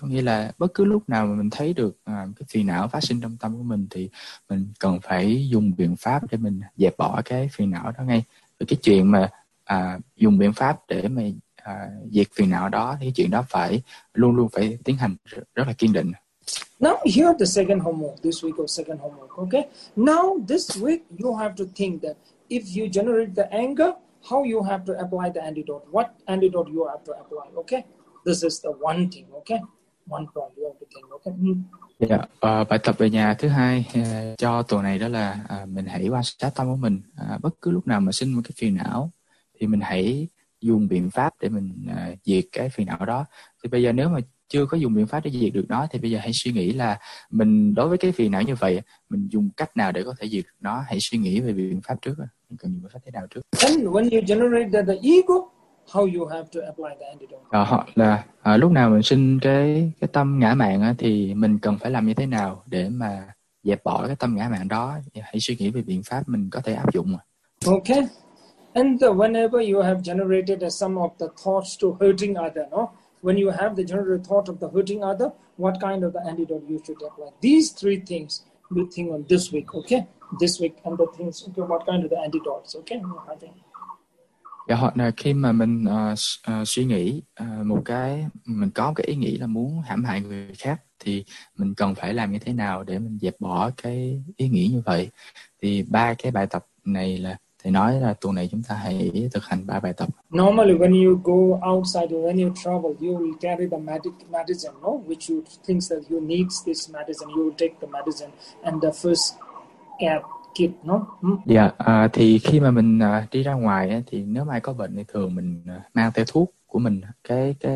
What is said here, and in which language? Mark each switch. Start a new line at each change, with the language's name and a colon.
Vietnamese: Có nghĩa là bất cứ lúc nào mà mình thấy được cái phiền não phát sinh trong tâm của mình thì mình cần phải dùng biện pháp để mình dẹp bỏ cái phiền não đó ngay. Cái chuyện mà dùng biện pháp để mà diệt phiền não đó thì chuyện đó phải luôn luôn phải tiến hành rất là kiên định.
English: Now here the second homework, this week of second homework, okay? Now this week you have to think that if you generate the anger, how you have to apply the antidote, what antidote you have to apply, okay? This is the one thing, okay? One point you have to think, okay?
Vietnamese: Bài tập về nhà thứ hai cho tuần này đó là mình hãy quan sát tâm của mình. Bất cứ lúc nào mà sinh một cái phiền não thì mình hãy dùng biện pháp để mình diệt cái phiền não đó. Thì bây giờ nếu mà chưa có dùng biện pháp để diệt được nó thì bây giờ hãy suy nghĩ là mình đối với cái phiền não như vậy mình dùng cách nào để có thể diệt nó. Hãy suy nghĩ về biện pháp trước, mình cần dùng biện pháp thế nào trước.
English: And when you generate the ego, how you have to apply the antidote.
Vietnamese: Lúc nào mình sinh cái tâm ngã mạn thì mình cần phải làm như thế nào để mà dẹp bỏ cái tâm ngã mạn đó. Hãy suy nghĩ về biện pháp mình có thể áp dụng.
English: Okay. And whenever you have generated some of the thoughts to hurting other, no? When you have the general thought of the hurting other, what kind of the antidote you should apply? These three things you think on this week, okay? This week and the things, okay, what kind of the antidotes, okay? I think.
Vietnamese: Yeah, hoặc là khi mà mình suy nghĩ một cái, mình có cái ý nghĩ là muốn hãm hại người khác thì mình cần phải làm như thế nào để mình dẹp bỏ cái ý nghĩ như vậy? Thì ba cái bài tập này là thì nói là tuần này chúng ta hãy thực hành ba bài tập.
English: Normally when you go outside or when you travel, you will carry the medicine, no? Which you think that you need this medicine, you will take the medicine and the first aid kit, no?
Vietnamese: Thì khi mà mình đi ra ngoài thì nếu mà có bệnh thì thường mình mang theo thuốc của mình, cái